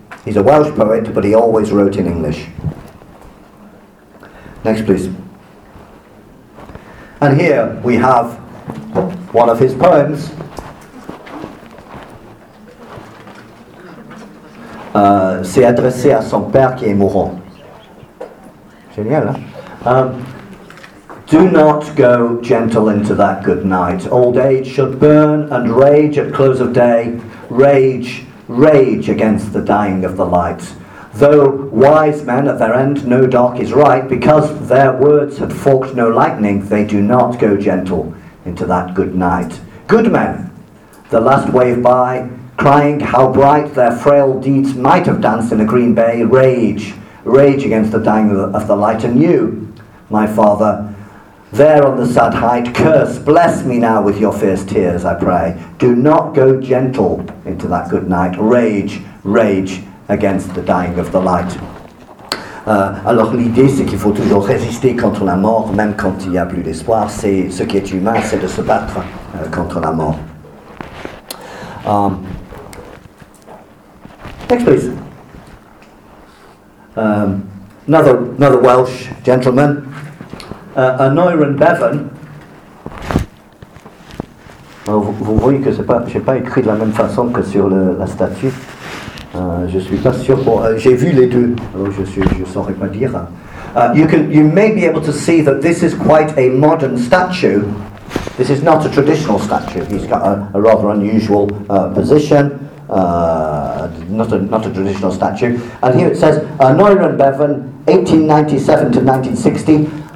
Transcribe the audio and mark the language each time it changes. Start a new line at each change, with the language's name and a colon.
English: He's a Welsh poet, but he always wrote in English. Next, please. And here we have one of his poems.
French: C'est adressé à son père qui est mourant. Génial, hein?
English: Do not go gentle into that good night. Old age should burn and rage at close of day. Rage, rage against the dying of the light. Though wise men at their end know dark is right, because their words had forked no lightning, they do not go gentle into that good night. Good men, the last wave by, crying how bright their frail deeds might have danced in a green bay. Rage, rage against the dying of the light. And you, my father, there on the sad height, curse, bless me now with your fierce tears, I pray. Do not go gentle into that good night. Rage, rage against the dying of the light.
French: Alors l'idée, c'est qu'il faut toujours résister contre la mort, même quand il n'y a plus d'espoir. C'est ce qui est humain, c'est de se battre contre la mort.
English: Next, please. Another Welsh gentleman. Aneurin Bevan.
French: Alors vous voyez que c'est pas, j'ai pas écrit de la même façon que sur la statue. Je suis pas sûr. J'ai vu les deux. Alors je saurais pas dire.
English: You may be able to see that this is quite a modern statue. This is not a traditional statue. He's got a rather unusual position. Not a traditional statue. And here it says Aneurin Bevan, 1897 to 1960.